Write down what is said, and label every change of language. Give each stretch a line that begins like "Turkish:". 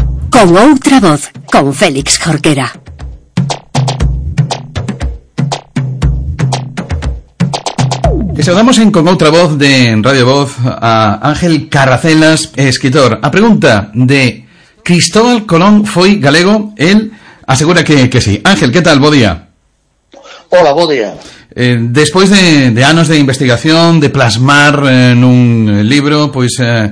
Spanish: Con otra voz, con Félix Jorquera. Te saludamos en Con otra voz de Radio Voz a Ángel Carracelas, escritor.
Galician: A pregunta de Cristóbal Colón, ¿foi galego?
Spanish: Él asegura que sí. Ángel, ¿qué tal?
Galician: Bo día. Hola, bo día.
Spanish: Después de años de investigación, de plasmar en un libro, pues...